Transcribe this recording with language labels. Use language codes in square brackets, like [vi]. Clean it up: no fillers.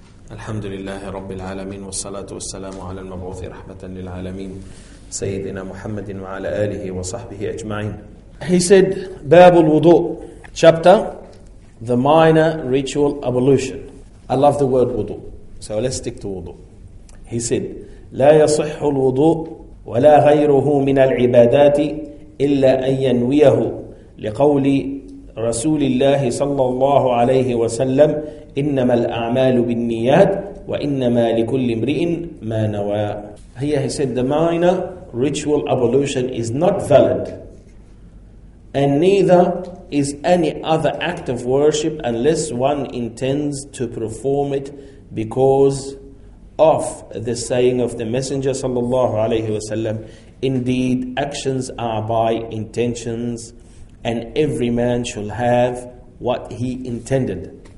[ar] الحمد لله رب العالمين، والصلاة والسلام على المبعوث رحمة للعالمين سيدنا محمد وعلى آله وصحبه أجمعين. [en] He said [ar] باب الوضوء [en] chapter the minor ritual ablution. I love the word وضوء. So let's stick to وضوء. [ar] He said لا يصح الوضوء ولا غيره من العبادات إلا أن ينويه لقول رسول الله صلى الله عليه وسلم إنما الأعمال بالنيات وإنما لكل امرئ ما نوى. [en] Here he said the minor ritual ablution is not valid and neither is any other act of worship unless one intends to perform it because of the saying of the Messenger [ar] صلى الله عليه وسلم [en] indeed actions are by intentions and every man shall have what he intended.